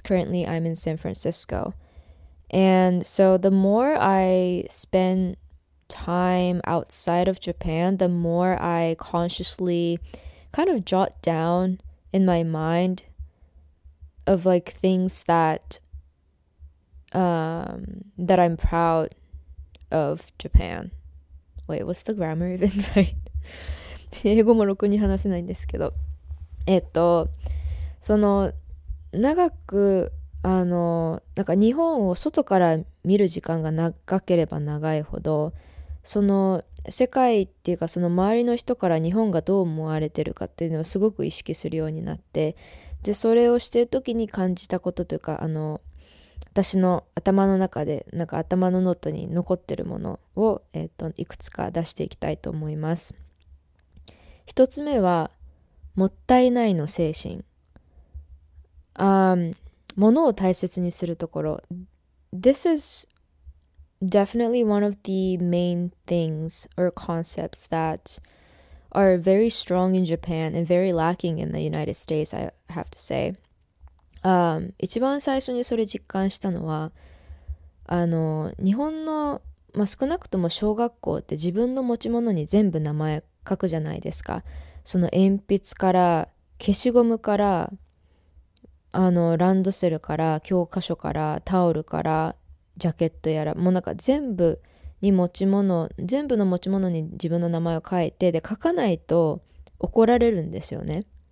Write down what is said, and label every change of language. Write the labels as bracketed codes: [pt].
[en] Currently, I'm in San Francisco. And so the more I spend time outside of Japan, the more I consciously kind of jot down in my mindof like things that that I'm proud of Japan. Wait, what's the grammar even right? [ja] 英語もろくに話せないんですけど、その長くなんか日本を外から見る時間が長ければ長いほど、その世界っていうか、その周りの人から日本がどう思われてるかっていうのをすごく意識するようになって、でそれをしてる時に感じたことというか、私の頭の中で、なんか頭のノートに残ってるものを、いくつか出していきたいと思います。一つ目はもったいないの精神。物を大切にするところ。 [en] This is definitely one of the main things or concepts thatare very strong in Japan and very lacking in the United States, I have to say. [ja] 一番最初にそれ実感したのは、日本の、まあ、少なくとも小学校って自分の持ち物に全部名前書くじゃないですか。その鉛筆から、消しゴムから、ランドセルから、教科書から、タオルから、ジャケットやら、もうなんか全部に持ち物、全部の持ち物に自分の名前を書いて、で書かないと怒られるんですよね。